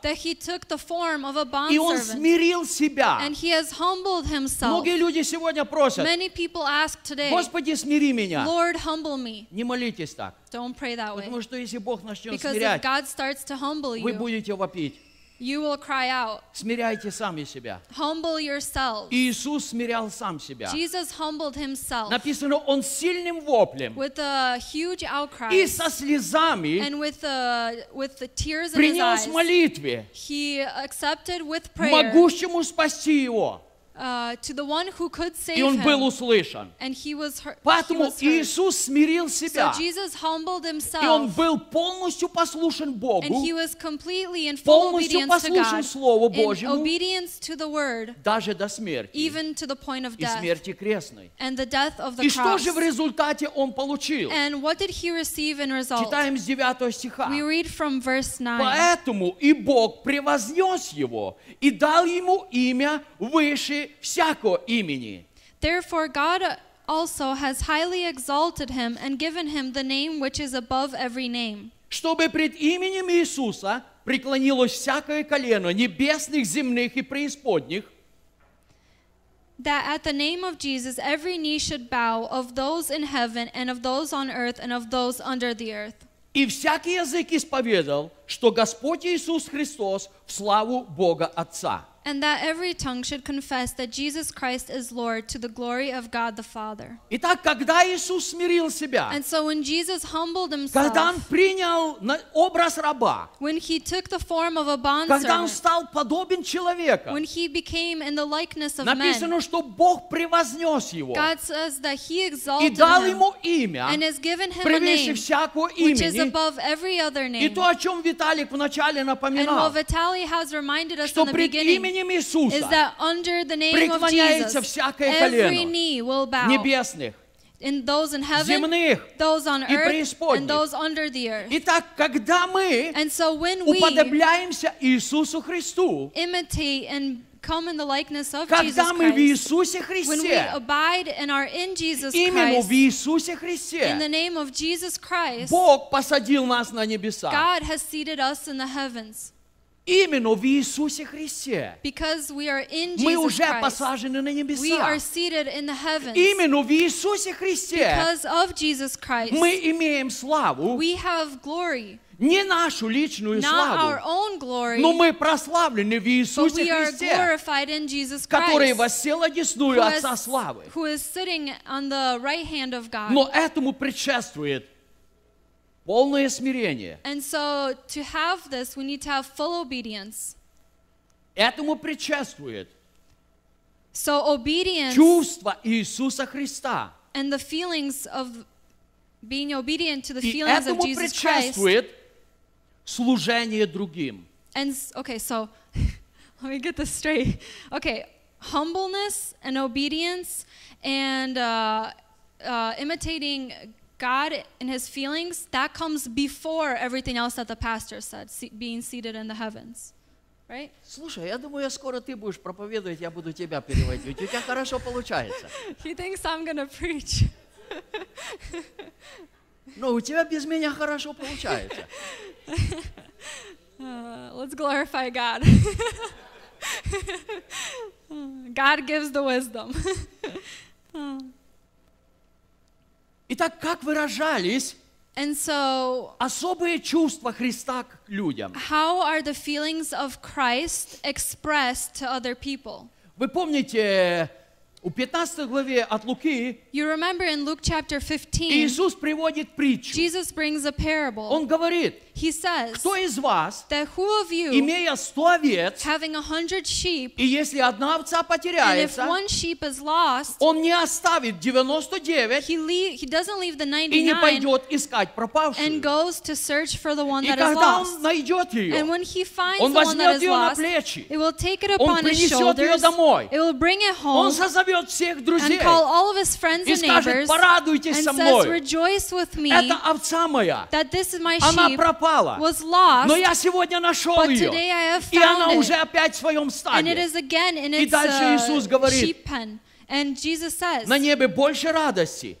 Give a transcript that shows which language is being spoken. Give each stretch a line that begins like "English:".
English: that he took the form of a bond
Russian: и он смирил себя.
English: And he has humbled himself.
Russian: Многие люди сегодня просят,
English: many people ask today,
Russian: Господи, смири меня.
English: Lord, humble me.
Russian: Не молитесь так.
English: Don't pray that
Russian: Потому
English: way.
Russian: Что если Бог начнет
English: Because
Russian: смирять,
English: if God starts to humble you,
Russian: вы будете вопить.
English: You will cry out.
Russian: Смиряйте сами себя.
English: Humble yourself.
Russian: Иисус смирял сам себя.
English: Jesus humbled himself.
Russian: Написано, он сильным воплем.
English: With a huge outcry.
Russian: И со слезами.
English: And with the tears in his eyes.
Russian: В молитве.
English: He accepted with prayer.
Russian: Могущему спасти его.
English: To the one who could save
Russian: и он
English: him.
Russian: Был услышан.
English: And he was heard.
Russian: Поэтому
English: he was heard.
Russian: Иисус смирил себя.
English: So Jesus humbled himself.
Russian: И он был полностью послушен Богу.
English: And he was completely in full
Russian: полностью
English: obedience
Russian: послушен
English: to God,
Russian: Слову Божьему.
English: In obedience to the word,
Russian: даже до смерти.
English: Even to the point of death,
Russian: и смерти крестной.
English: And the death of the
Russian: и
English: cross.
Russian: Что же в результате он получил?
English: And what did he receive in result?
Russian: Читаем с 9 стиха.
English: We read from verse 9.
Russian: Поэтому и Бог превознес его и дал ему имя выше всякого имени.
English: Therefore, God also has highly exalted him and given him the name which is above every name.
Russian: Чтобы пред именем Иисуса преклонилось всякое колено небесных, земных и преисподних.
English: That at the name of Jesus every knee should bow of those in heaven and of those on earth and of those under the earth.
Russian: И всякий язык исповедал, что Господь Иисус Христос в славу Бога Отца.
English: And that every tongue should confess that Jesus Christ is Lord to the glory of God the Father.
Russian: Итак, когда Иисус смирил себя,
English: and so when Jesus humbled himself,
Russian: когда он принял образ раба,
English: when he took the form of a bondservant,
Russian: когда он стал подобен человека,
English: when he became in the likeness of
Russian: написано,
English: men,
Russian: что Бог превознес его,
English: God says that he exalted
Russian: и дал
English: him
Russian: ему имя,
English: and has given him
Russian: превыше
English: a name,
Russian: всякого
English: which
Russian: имени,
English: is above every other name.
Russian: И то, о чем Виталик вначале напоминал,
English: and what Vitaly has reminded us
Russian: что
English: in the beginning, is that under the name of Jesus, every knee will bow.
Russian: Небесных,
English: in those in heaven,
Russian: земных,
English: those on earth, and those under the earth.
Russian: Итак, когда мы
English: and so when we
Russian: уподобляемся Иисусу Христу,
English: imitate and come in the likeness of
Russian: когда
English: Jesus
Russian: мы в Иисусе Христе,
English: when we abide and are in Jesus
Russian: именно
English: Christ,
Russian: в Иисусе Христе,
English: in the name of Jesus Christ,
Russian: Бог посадил нас на небеса.
English: God has seated us in the heavens.
Russian: Именно в Иисусе Христе мы уже посажены на небесах. Именно в Иисусе Христе мы имеем славу, не нашу личную славу, но мы прославлены в Иисусе Христе, который воссел одесную Отца Славы. Но этому предшествует полное смирение.
English: And so to have this, we need to have full obedience.
Russian: Этому предшествует.
English: So obedience.
Russian: Чувство Иисуса Христа.
English: And the feelings of being obedient to the feelings of Jesus Christ.
Russian: И этому предшествует служение другим.
English: And okay, so let me get this straight. Okay, humbleness and obedience and imitating God and his feelings, that comes before everything else that the pastor said, being seated in the heavens. Right?
Russian: Слушай, я думаю, скоро ты будешь проповедовать, я буду тебя переводить. У тебя хорошо получается.
English: He thinks I'm going to preach.
Russian: Но у тебя без меня хорошо получается.
English: Let's glorify God. God gives the wisdom.
Russian: Итак, как выражались
English: so,
Russian: особые чувства Христа к людям?
English: How are the feelings of Christ expressed to other people?
Russian: Вы помните, у 15 главе от Луки,
English: you remember in Luke chapter 15,
Russian: Иисус приводит притчу.
English: Jesus brings a parable.
Russian: Он говорит,
English: he says,
Russian: кто из вас,
English: that who of you,
Russian: имея 100 овец,
English: having 100 sheep,
Russian: и если одна овца потеряется,
English: and if one sheep is lost,
Russian: он не оставит 99,
English: he doesn't leave the 99,
Russian: и не пойдет искать пропавшую.
English: And goes to search for the one that is lost.
Russian: И когда он найдет ее,
English: and when he finds
Russian: он возьмет
English: the one that is
Russian: ее
English: lost,
Russian: на плечи,
English: it will take it upon his shoulders,
Russian: он принесет ее домой,
English: it will bring it home,
Russian: он созовет всех друзей,
English: and call all of his friends
Russian: и скажет, порадуйтесь со мной,
English: says, rejoice with me,
Russian: это овца моя,
English: that this is my sheep,
Russian: она
English: was lost,
Russian: но я сегодня нашел
English: but today
Russian: ее,
English: I have found it, and it is again in its
Russian: говорит,
English: sheep pen. And Jesus says,
Russian: на небе больше радости.